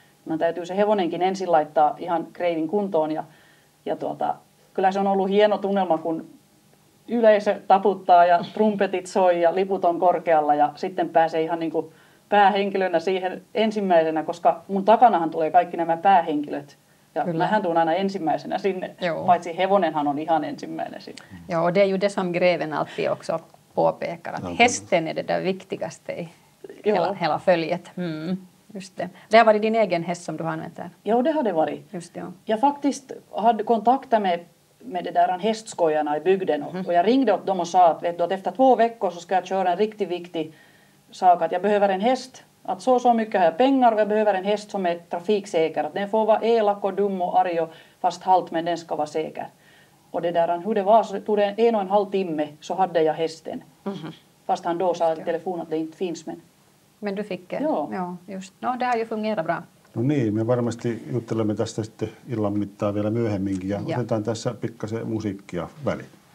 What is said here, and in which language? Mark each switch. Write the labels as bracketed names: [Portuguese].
[Finnish] Mä täytyy se hevonenkin ensin laittaa ihan kreivin kuntoon. Ja tuota, kyllä se on ollut hieno tunnelma, kun yleisö taputtaa ja trumpetit soi ja liput on korkealla ja sitten pääsee ihan niin kuin päähenkilönä siihen ensimmäisenä, koska mun takanahan tulee kaikki nämä päähenkilöt. Ja kyllä. Mähän tuun aina ensimmäisenä sinne, joo. Paitsi hevonenhan on ihan ensimmäinen sinne. [Swedish] Joo, det är ju det som greven alltid också påpekar. Hästen är det där viktigaste i hela följet. Just det. Det har varit din egen häst som du har använt där. Jo, det har det varit. Just det, ja. Jag faktiskt hade kontakt med det där hästskojarna i bygden och jag ringde åt dem och sa att, vet du, att efter två veckor så ska jag köra en riktigt viktig sak, att jag behöver en häst, att så mycket har jag pengar och jag behöver en häst som är trafiksäker, att den får vara elak och dum och arg och fast halt, men den ska vara säker. Och det där, hur det var, så tog det en och en halv timme så hade jag hästen. Fast han då sa i telefon att det inte finns, men men du fick det. Ja, just. No, det har ju fungerat bra. [Finnish] No niin, me varmasti juttelemme tästä sitten illan mittaan vielä myöhemminkin ja otetaan tässä pikkasen musiikkia väliin.